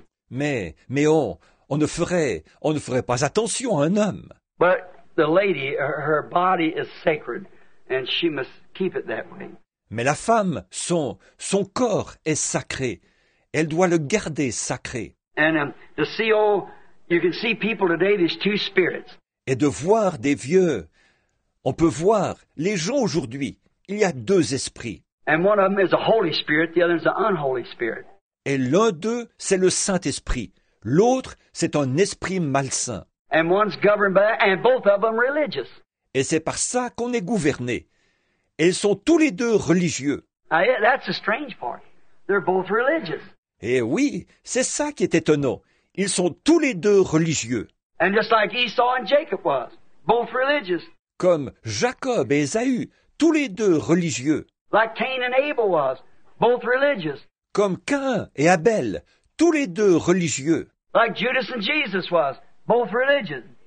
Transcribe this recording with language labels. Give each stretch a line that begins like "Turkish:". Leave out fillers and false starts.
French: Mais on ne ferait pas attention à un homme.
English: But the lady, her body is sacred, and she must keep it that way.
French: Mais la femme, son corps est sacré. Elle doit le garder sacré.
English: And to see old, you can see people today, these two spirits.
French: Et de voir des vieux, on peut voir les gens aujourd'hui. Il y a deux esprits.
English: And one of them is a Holy Spirit, the other is an unholy spirit.
French: Et l'un d'eux, c'est le Saint-Esprit. L'autre, c'est un esprit malsain.
English: And one's governed by, and both of them religious.
French: Et c'est par ça qu'on est gouverné. Et ils sont tous les deux religieux.
English: That's a strange part. They're both religious.
French: Et oui, c'est ça qui est étonnant. Ils sont tous les deux religieux.
English: And just like Esau and Jacob was, both religious.
French: Comme Jacob et Esaü, tous les deux religieux.
English: Like Cain and Abel was, both religious.
French: Comme Cain et Abel, tous les deux religieux.
English: Like Judas and Jesus was, both religious.